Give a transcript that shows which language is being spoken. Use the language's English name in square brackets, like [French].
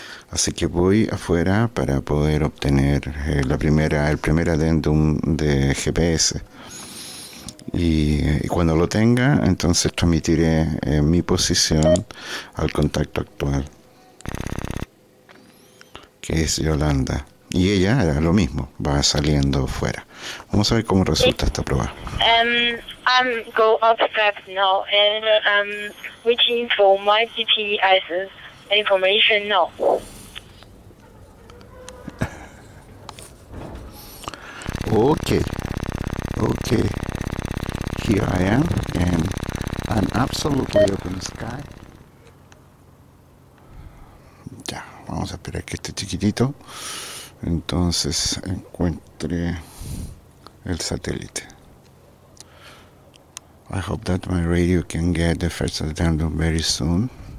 [Spanish] Así que voy afuera para poder obtener el primer addendum de GPS. Y cuando lo tenga, entonces transmitiré mi posición al contacto actual, que es Yolanda, y ella hará lo mismo, va saliendo fuera. Vamos a ver cómo resulta esta prueba. [English] I'm go outside now, and reaching for my GPS information now. Okay, here I am, and an absolutely open sky. [Spanish] Vamos a esperar que este chiquitito entonces encuentre el satélite. [English] I hope that my radio can get the first addendum very soon.